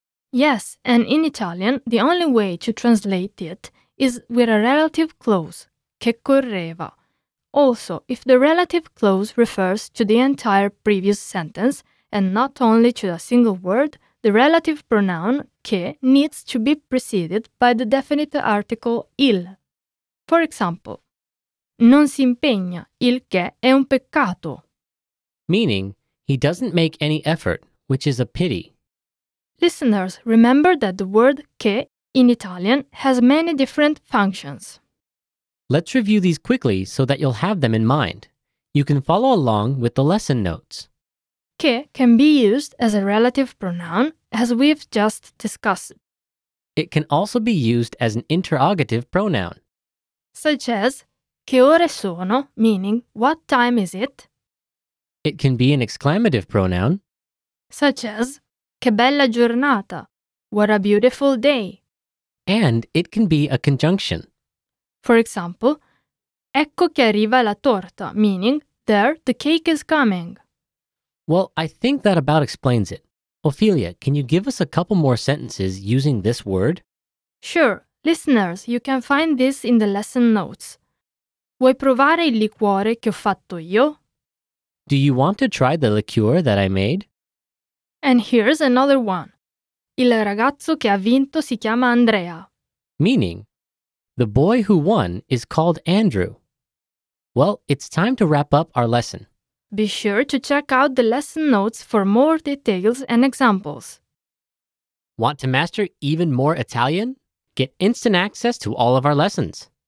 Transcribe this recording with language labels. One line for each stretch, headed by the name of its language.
English: Yes, and in Italian, the only way to translate it is with a relative clause, che correva. Also, if the relative clause refers to the entire previous sentence and not only to a single word, the relative pronoun, che, needs to be preceded by the definite article il. For example,
Italian: non si impegna, il che è un peccato.
English: Meaning, he doesn't make any effort, which is a pity. Listeners, remember that the word che in Italian has many different functions. Let's review these quickly so that you'll have them in mind. You can follow along with the lesson notes. Che can be used as a relative pronoun, as we've just discussed. It can also be used as an interrogative pronoun. Such as,
Italian: che ore sono,
English: meaning, what time is it? It can be an exclamative pronoun. Such as,
Italian: che bella giornata,
English: what a beautiful day. And it can be a conjunction. For example,
Italian: ecco che arriva la torta,
English: meaning, there the cake is coming. Well, I think that about explains it. Ophelia, can you give us a couple more sentences using this word? Sure. Listeners, you can find this in the lesson notes.
Italian: Vuoi provare il liquore che ho fatto io?
English: Do you want to try the liqueur that I made? And here's another one.
Italian: Il ragazzo che ha vinto si chiama Andrea.
English: Meaning, the boy who won is called Andrew. Well, it's time to wrap up our lesson. Be sure to check out the lesson notes for more details and examples. Want to master even more Italian? Get instant access to all of our lessons.